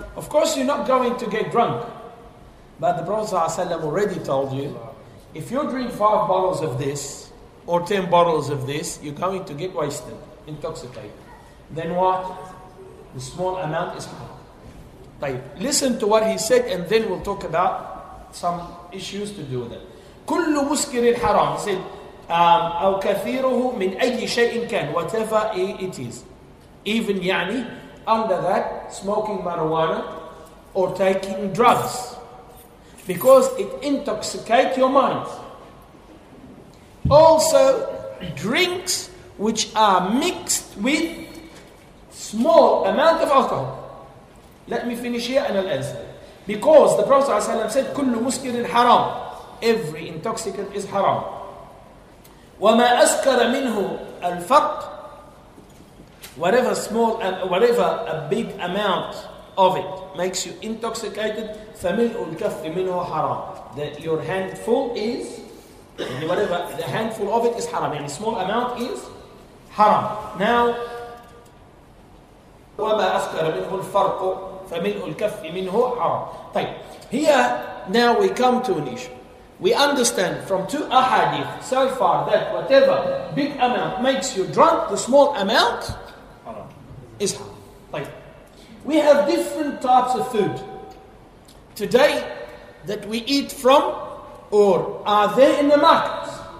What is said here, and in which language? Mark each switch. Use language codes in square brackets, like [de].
[en] Of course, you're not going to get drunk. But the Prophet ﷺ already told you, if you drink 5 bottles of this or 10 bottles of this, you're going to get wasted, intoxicated. Then what? The small amount is haram. طيب, listen to what he said, and then we'll talk about some issues to do with it. [ar] كل مسكر حرام. [en] He said, [ar] أو كثيره من أي شيء كان, [en] whatever it is. Even يعني, under that, smoking marijuana or taking drugs. Because it intoxicates your mind. Also, drinks which are mixed with small amount of alcohol. Let me finish here and I'll answer. Because the Prophet ﷺ said, [ar] كل مسكر حرام. [en] Every intoxicant is haram. [ar] وما أسكر منه الفرق. [en] Whatever a big amount of it makes you intoxicated, [ar] فملء الكف منه حرام. [en] That your handful is, whatever the handful of it is haram. يعني small amount is haram. Now, [ar] وما أسكر منه الفرق فملء الكف منه حرام. [en] طيب, here now we come to an issue. We understand from two ahadith so far that whatever big amount makes you drunk, the small amount is haram. Like, we have different types of food today that we eat from or are there in the markets.